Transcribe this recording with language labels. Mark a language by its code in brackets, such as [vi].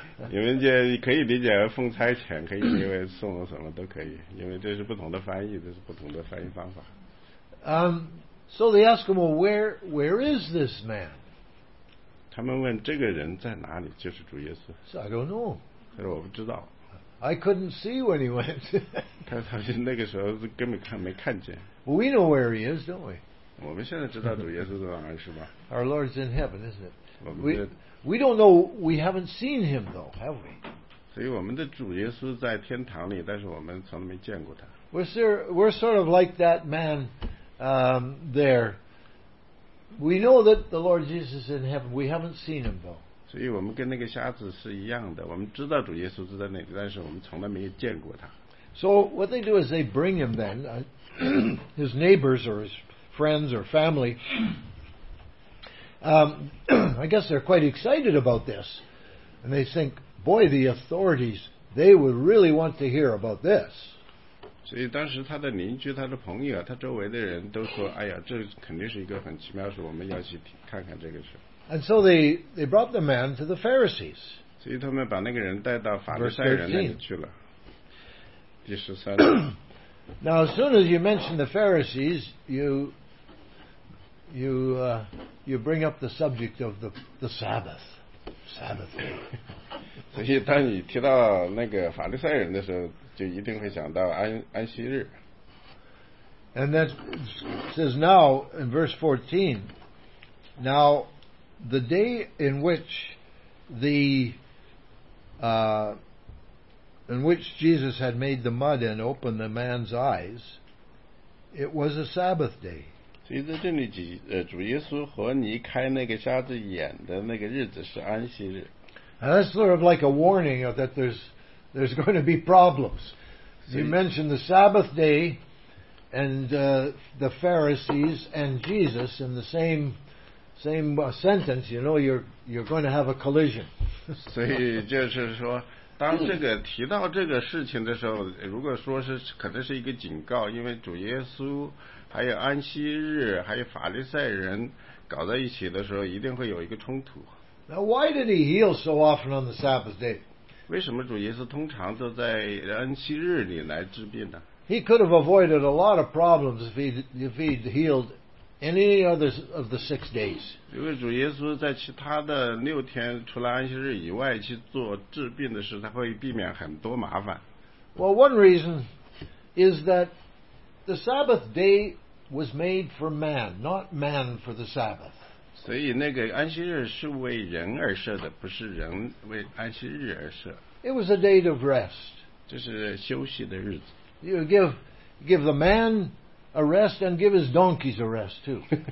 [zh] 你们就可以理解为奉差遣，可以因为送什么都可以，因为这是不同的翻译，这是不同的翻译方法。 [en] So they ask him, well, where is this man? [zh] 他们问这个人在哪里，就是主耶稣。 [en] So I don't know. [zh] 他说我不知道。 [en] I couldn't see when he went. [zh] 他说那个时候根本没看见。 [en] Well, we know where he is, don't we? [zh] 我们现在知道主耶稣在哪儿，是吧？ [en] Our Lord's in heaven, isn't it? We don't know, we haven't seen him though, have we? [zh] 所以我们的主耶稣在天堂里，但是我们从来没见过他。 [en] We're sort of like that man there. We know that the Lord Jesus is in heaven, we haven't seen him though. [zh] 所以我们跟那个瞎子是一样的，我们知道主耶稣是在那里，但是我们从来没有见过他。 [en] So what they do is they bring him then, his neighbors or his friends or family, I guess they're quite excited about this. And they think, boy, the authorities, they would really want to hear about this. [zh] 所以当时他的邻居、他的朋友、他周围的人都说，哎呀，这肯定是一个很奇妙的事，我们要去看看这个事。 [en] And so they brought the man to the Pharisees. [zh] 所以他们把那个人带到法利赛人那里去了。第十三。 [en] Now as soon as you mention the Pharisees, you bring up the subject of the Sabbath. Sabbath. [zh] 所以当你提到那个法利赛人的时候，就一定会想到安息日。 [en] And that says now in verse 14, now the day in which Jesus had made the mud and opened the man's eyes, it was a Sabbath day. [zh] 所以在这里主耶稣和你开那个瞎子眼的那个日子是安息日。 [en] And that's sort of like a warning of that there's going to be problems. You mentioned the Sabbath day and the Pharisees and Jesus in the same sentence, you know, you're going to have a collision. [zh] 所以就是说当这个提到这个事情的时候，如果说是可能是一个警告，因为主耶稣还有安息日还有法利赛人搞在一起的时候一定会有一个冲突。 [en] Now why did he heal so often on the Sabbath day? [zh] 为什么主耶稣通常都在安息日里来治病呢？ [en] He could have avoided a lot of problems if he'd healed any other of the 6 days. [zh] 因为主耶稣在其他的六天除了安息日以外去做治病的事，他会避免很多麻烦。 [en] Well, one reason is that the Sabbath day was made for man, not man for the Sabbath. [zh] 所以那个安息日是为人而设的，不是人为安息日而设。 [en] It was a day of rest. [zh] 这是休息的日子。 [en] You give the man a rest and give his donkeys a rest too.